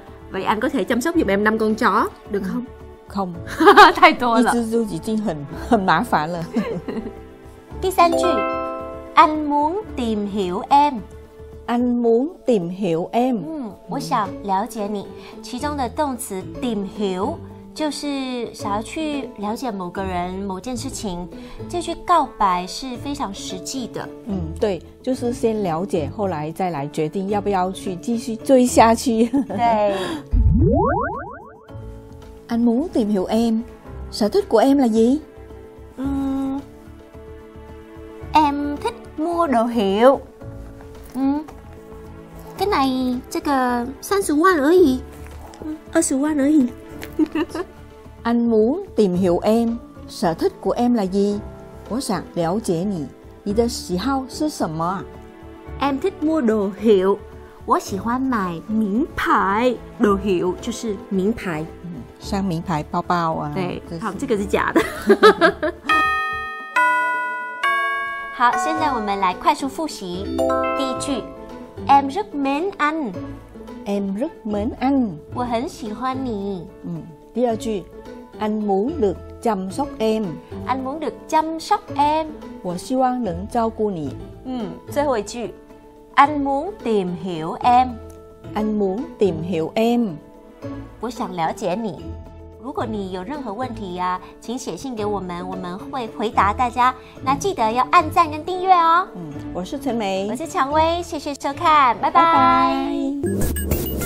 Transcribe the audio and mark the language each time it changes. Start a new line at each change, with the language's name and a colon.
Vietnamese: Vậy anh có thể chăm sóc giùm em năm con chó, được không? Không.
Chinese: 太多了，一只就已经很麻烦了。第三句，
Vietnamese: Anh muốn tìm hiểu em. Anh muốn tìm hiểu em.
Chinese: 我想了解你。其中的动词 tìm hiểu 就是想要去了解某个人某件事情，这句告白是非常实际的。对，就是先了解，后来再来决定要不要去继续追下去。对。
Vietnamese: Anh muốn tìm hiểu em. Sở thích của em là gì? Em thích mua đồ hiệu. Cái này, cái này,
Chinese: 30万而已. 20万而已.
Vietnamese: Anh muốn tìm hiểu em. Sở thích của em là gì?
Chinese: 我想了解你.你的喜好是什么?
Vietnamese: Em thích mua đồ hiệu.
Chinese: 我喜欢买名牌. Đồ hiệu 就是名牌。像名牌包包啊，对，好，这个是假的。好，现在我们来快速复习。第一句
Vietnamese: ，Em rất mến anh， Em rất mến anh，
Chinese: 我很喜欢你。第二句
Vietnamese: ，Anh muốn được chăm sóc em， Anh muốn được chăm sóc em，
Chinese: 我希望能照顾你。最后一句
Vietnamese: ，Anh muốn tìm hiểu em， Anh muốn tìm hiểu em。
Chinese: 我想了解你。如果你有任何问题啊，请写信给我们，我们会回答大家。那记得要按赞跟订阅哦。我是陈梅，我是蔷薇，谢谢收看，拜拜。